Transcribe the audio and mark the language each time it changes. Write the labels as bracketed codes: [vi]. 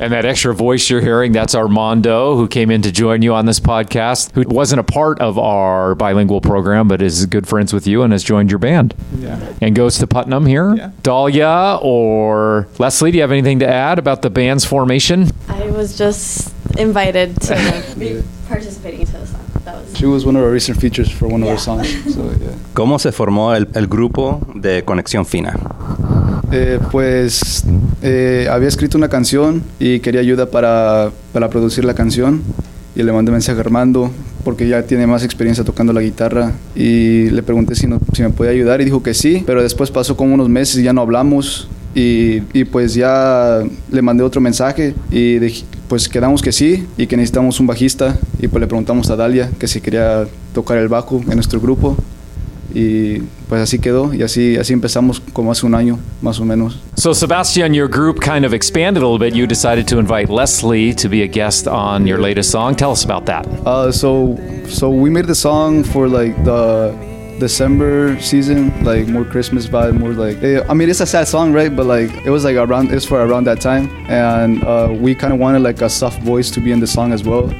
[en] And that extra voice you're hearing, that's Armando, who came in to join you on this podcast, who wasn't a part of our bilingual program, but is good friends with you and has joined your band. Yeah. And goes to Putnam here. Yeah. Dalia or Leslie, do you have anything to add about the band's formation? I was just invited to be participating to the song. She was one of our recent features for one of our songs. So, yeah. [es] ¿Cómo se formó el grupo de Conexión Fina? Había escrito una canción y quería ayuda para producir la canción. Y le mandé mensaje a Armando, porque ya tiene más experiencia tocando la guitarra. Y le pregunté si me podía ayudar y dijo que sí. Pero después pasó como unos meses y ya no hablamos. Y pues ya le mandé otro mensaje y pues quedamos que sí y que necesitamos un bajista. Y pues le preguntamos a Dalia que si quería tocar el bajo en nuestro grupo. Y pues así quedó y así empezamos como hace un año, más o menos. [en] So Sebastian, your group kind of expanded a little bit. You decided to invite Leslie to be a guest on your latest song. Tell us about that. So we made the song for like the December season, like more Christmas vibe, more like, I mean, it's a sad song, right? But like, it was like around that time. And we kind of wanted like a soft voice to be in the song as well.